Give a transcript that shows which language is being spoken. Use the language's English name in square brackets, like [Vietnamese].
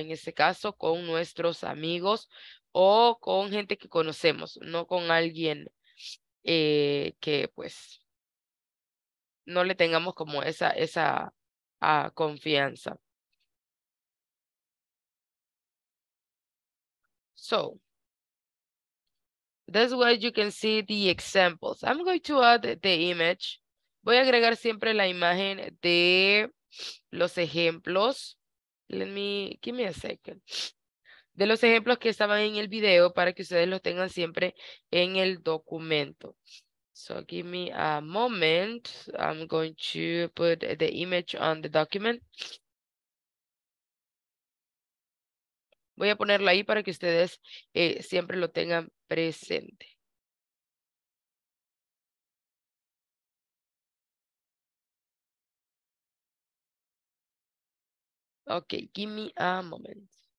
[Spanish] En este caso, con nuestros amigos o con gente que conocemos, no con alguien que pues no le tengamos como esa confianza. [English] So, that's why you can see the examples. I'm going to add the image. [Spanish] Voy a agregar siempre la imagen de los ejemplos. [English] Give me a second. [Spanish] De los ejemplos que estaban en el video para que ustedes los tengan siempre en el documento. [English] So, give me a moment. I'm going to put the image on the document. [Spanish] Voy a ponerla ahí para que ustedes siempre lo tengan presente. [English] Okay, give me a moment.